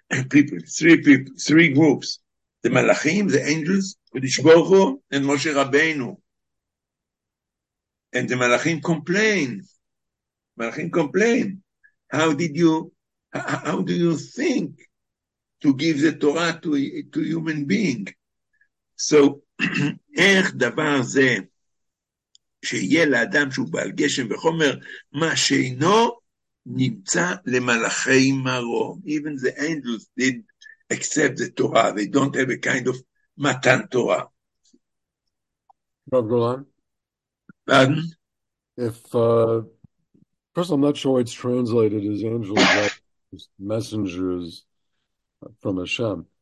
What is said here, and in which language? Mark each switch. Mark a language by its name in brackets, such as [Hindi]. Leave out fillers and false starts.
[English] Three groups. The malachim, the angels, Kodesh Baruch Hu, and Moshe Rabbeinu. And the malachim complain. Malachim complain. How do you think to give the Torah to a human being? [Hebrew] So, איך דבר זה שיהיה לאדם שהוא בעל גשם וחומר מה שאינו נמצא למלאכי מרום? [English] Even the angels didn't accept the Torah. They don't have a kind of מתן Torah. Rav Golan? Pardon? First, I'm not sure it's translated as angels, but messengers from Hashem.